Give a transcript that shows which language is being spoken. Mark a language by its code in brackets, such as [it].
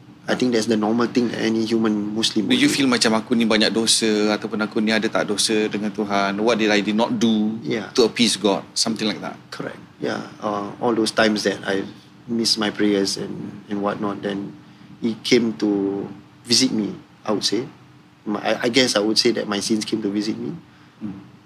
[en] I think that's the normal thing that any human Muslim do. [ms] Feel macam aku ni banyak dosa ataupun aku ni ada tak dosa dengan Tuhan? [en] What did I did not do to appease God? Something like that. Correct. Yeah. All those times that I missed my prayers and whatnot, then he came to visit me, I would say. I guess I would say that my sins came to visit me. Mm.